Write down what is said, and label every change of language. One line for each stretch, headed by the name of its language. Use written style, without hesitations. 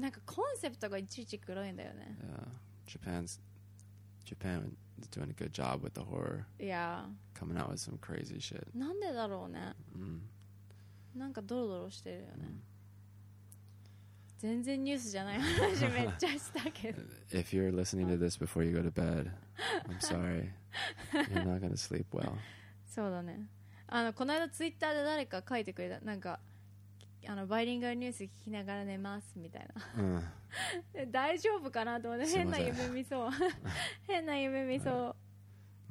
Japanese: なんかコンセプトがいちいちグロいんだよね。
English: Yeah. Japan. Doing a good job with the horror. Yeah. Coming out with some crazy shit.
Japanese: なんでだろうね。なんかドロドロしてるよね。全然ニュースじゃない話めっちゃしたけど。
English: If you're listening to this before you go to bed, I'm sorry. You're not gonna sleep well.
Japanese: そうだね。あのこの間ツイッターで誰か書いてくれたなんか。あのバイリンガルニュース聞きながら寝ますみたいな、うん、大丈夫かなと思って変な夢見そう変な夢見そう、